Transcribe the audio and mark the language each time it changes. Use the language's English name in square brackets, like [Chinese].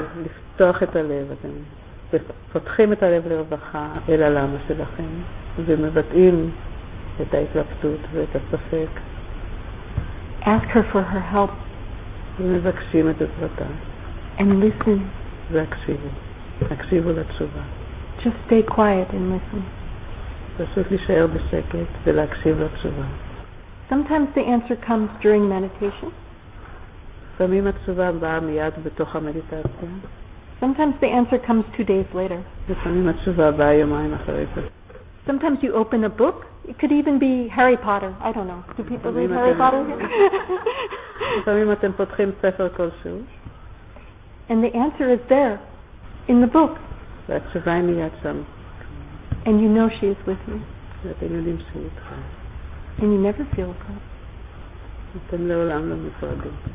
[Hebrew] לפתוח את הלב, אתם פותחים את הלב לרווחה אל הלמה שלכם ומבטאים את ההתלבטות ואת הספק. [English] Ask her for her help. [Hebrew] ומבקשים את עזרתה. [English] And listen. [Hebrew] והקשיבו. הקשיבו לתשובה. [English] Just stay quiet and listen. [Hebrew] פשוט להישאר בשקט ולהקשיב לתשובה. [English] Sometimes the answer comes during meditation. [Hebrew] לפעמים התשובה באה מיד בתוך המדיטציה. [English] Sometimes the answer comes 2 days later. [Hebrew] לפעמים התשובה באה יומיים אחרי זה. [English] Sometimes you open a book. It could even be Harry Potter. I don't know. Do people read Harry Potter here? [Hebrew] לפעמים אתם פותחים ספר כלשהו. [English] And the answer is there, in the book. [Hebrew] והתשובה היא מיד שם. [English] And you know she is with you. [Hebrew] ואתם יודעים שהיא איתך. [English] And you never feel alone. [Hebrew] אתם לעולם לא נפרדים.